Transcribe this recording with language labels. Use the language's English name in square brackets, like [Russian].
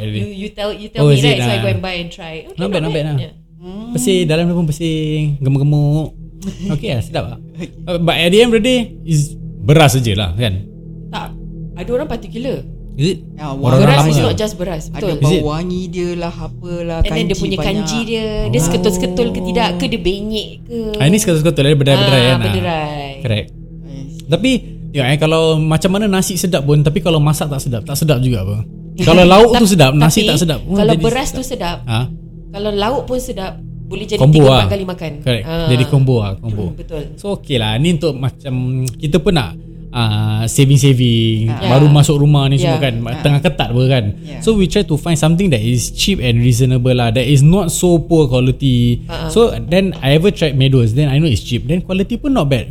[English] You tell me right, so I go and buy and try. Okay, not bad. Yeah. [Malay] Bersih, dalam dia pun bersih, gemuk-gemuk. [English] Okay lah, [Malay] sedap lah. [English] But at the end of the day is [Malay] beras je lah kan. Tak, ada orang particular. [English] Is it? Beras is not just beras. [Malay] Betul. Ada bau wangi dia lah, apalah. [English] And then [Malay] dia punya kanji dia. Dia seketul-seketul ke tidak, ke dia benyek ke. Ini seketul-seketul, dia berderai-berderai. [English] Correct. [Malay] Tapi tengok ya, kalau macam mana nasi sedap pun, tapi kalau masak tak sedap. Tak sedap juga apa. Kalau lauk tu sedap, nasi tak sedap. Kalau beras sedap. Kalau lauk pun sedap, boleh jadi 3-4 kali makan. [English] Correct. [Malay] Jadi combo lah. Betul. So okey lah. Ni untuk macam kita pun nak saving-saving baru masuk rumah ni semua kan tengah ketat pun kan. [English] So we try to find something that is cheap and reasonable lah, that is not so poor quality. So then I ever tried Meadows, then I know it's cheap, then quality [Malay] pun [English] not bad.